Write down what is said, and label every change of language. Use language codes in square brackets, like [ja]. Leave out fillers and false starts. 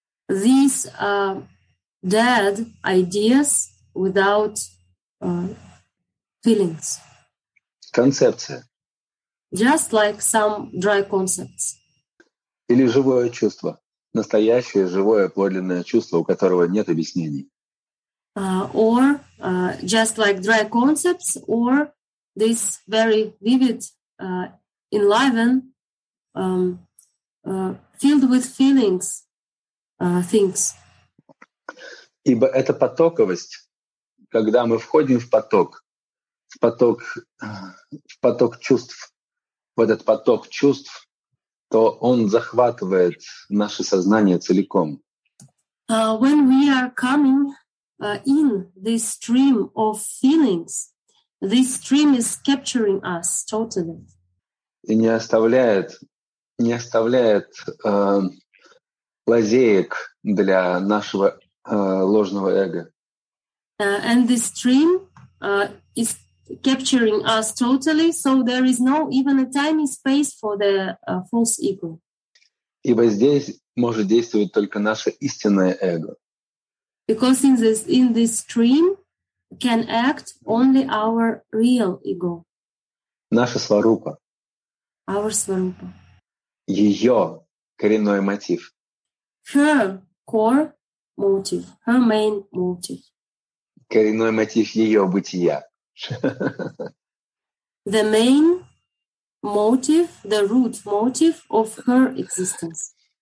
[en] These dead ideas without feelings. [ru] Концепция. [en] Just like some dry concepts. [ru] Или живое чувство. Настоящее, живое, подлинное чувство, у которого нет объяснений. [en] Or just like dry concepts, or this very vivid, enlivened, filled with feelings, things. [ru] Ибо это потоковость, когда мы входим в поток чувств, в этот поток чувств, то он захватывает наше сознание целиком. [en] When we are coming in this stream of feelings, this stream is capturing us totally. [ru] И не оставляет лазеек для нашего ложного эго. [en] And this stream is capturing us totally, so there is no even a tiny space for the false ego. [ru] Ибо здесь может действовать только наше истинное эго. [en] Because in this stream can act only our real ego. [ru] Наша сварупа. [en] Our сварупа. [ru] Её коренной мотив. [en] Her core motive. Her main motive. [ru] Коренной мотив её бытия. [en] The main motive, the root motive of her existence.